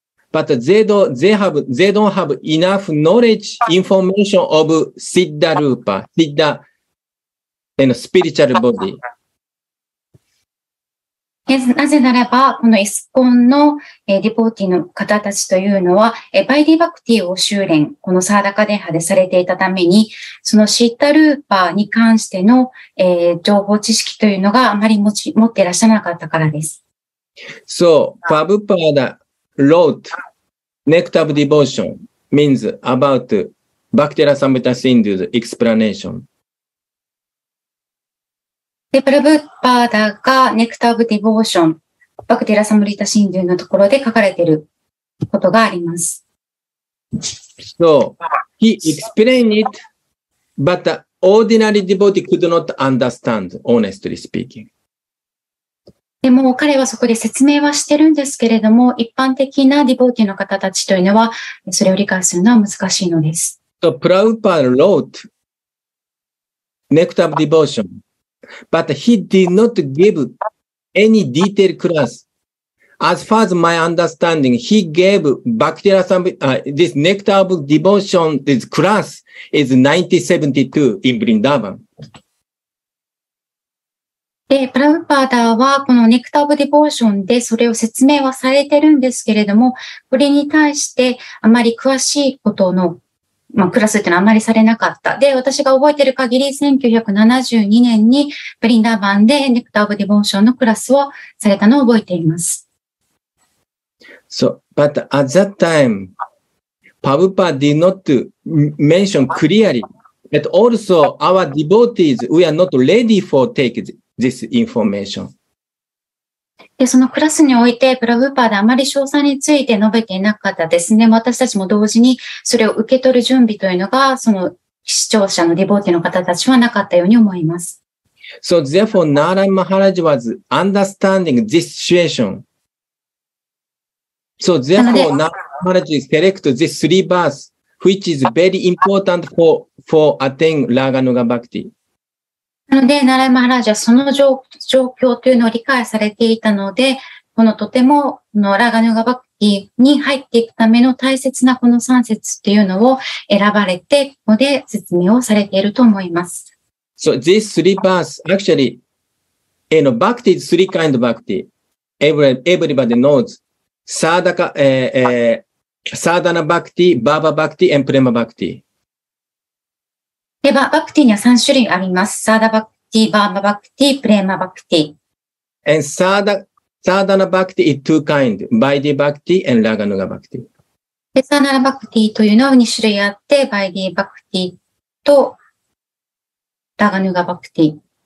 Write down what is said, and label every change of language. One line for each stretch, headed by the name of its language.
English: but they don't have enough knowledge, information of Siddha Rupa, Siddha and spiritual body.
Japanese: なぜならば、このイスコンのディボーティの方たちというのは、バイディバクティを修練、このサーダカデハでされていたために、そのシッタルーパーに関しての情報知識というのがあまり持っていらっしゃらなかったからです。
English: So, Prabhupada wrote Nectar of Devotion means about Bhaktira Samhita Sindhu's explanation.
Japanese: で、プラブッパーダがネクターブディボーション、バクティラサムリタシンデューのところで書かれていることがあります。
English: So, he explained it, but the ordinary devotee could not understand, honestly speaking.
Japanese: でも、彼はそこで説明はしてるんですけれども、一般的なディボーティの方たちというのは、それを理解するのは難しいのです。
English: So, プラブッパーダ wrote, ネクターブディボーション、But he did not give any detailed class. As far as my understanding, he gave Bhaktira Samhita, this Nectar of Devotion, this class is 1972 in Vrindavan.
Japanese: で、プラブパーダはこの Nectar of Devotion でそれを説明はされてるんですけれども、これに対してあまり詳しいことのまあ、クラスってのはあまりされなかった。で、私が覚えてる限り、1972年に、ブリンダーバンで、ネクター・オブ・ディボーションのクラスをされたのを覚えています。
English: So, but at that time, Prabhupada did not mention clearly that also our devotees, we are not ready for take this information.
Japanese: で、そのクラスにおいて、プラブパーダあまり詳細について述べていなかったですね。私たちも同時にそれを受け取る準備というのが、その視聴者のディボーティの方たちはなかったように思います。
English: So therefore, Narayan Maharaj was understanding this situation. So therefore, Narayan Maharaj select these three verses, which is very important for attaining Raganuga Bhakti.
Japanese: なので、ナラマハラジャはその状況というのを理解されていたので、このとても、このラガヌガバクティに入っていくための大切なこの3節というのを選ばれて、ここで説明をされていると思います。
English: So, these three verses, actually, you know, Bhakti is three kind of Bhakti. Everybody knows. Sadhaka, Sadhana Bhakti, Baba Bhakti, and Prema Bhakti.
Japanese: では、バクティには3種類あります。サーダバクティ、バーマバクティ、プレーマバクティ。
English: And サーダナバクティ is two kind. バイディバクティ and ラガヌガバクティ。
Japanese: で、サーダナバクティというのは2種類あって、バイディバクティとラガヌガバクティ。